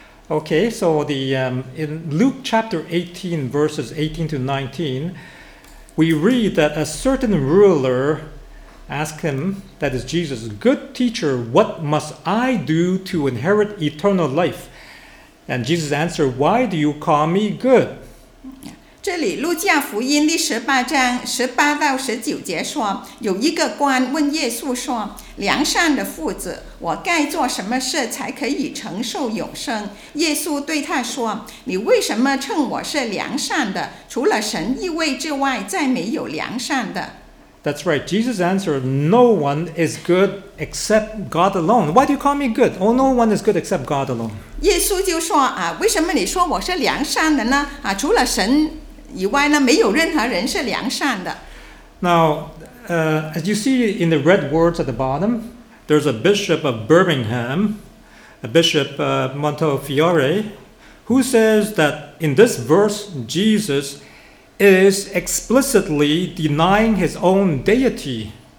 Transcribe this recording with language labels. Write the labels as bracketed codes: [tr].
[en] Okay, so in Luke chapter 18, verses 18 to 19, we read that a certain ruler asked him, that is Jesus, Good teacher, what must I do to inherit eternal life? And Jesus answered, Why do you call me good? [zh] 这里路加福音第十八章十八到十九节说，有一个官问耶稣说，良善的父子，我该做什么事才可以承受永生？耶稣对他说，你为什么称我是良善的？除了神一位之外，再没有良善的。 [en] That's right. Jesus answered, no one is good except God alone. Why do you call me good? Oh, no one is good except God alone. [zh] 耶稣就说, 啊, 为什么你说我是良善的呢? 啊, 除了神以外呢, 没有任何人是良善的。 [en] Now, as you see in the red words at the bottom, there's a bishop of Birmingham, a bishop Montefiore, who says that in this verse, Jesus is explicitly denying his own deity.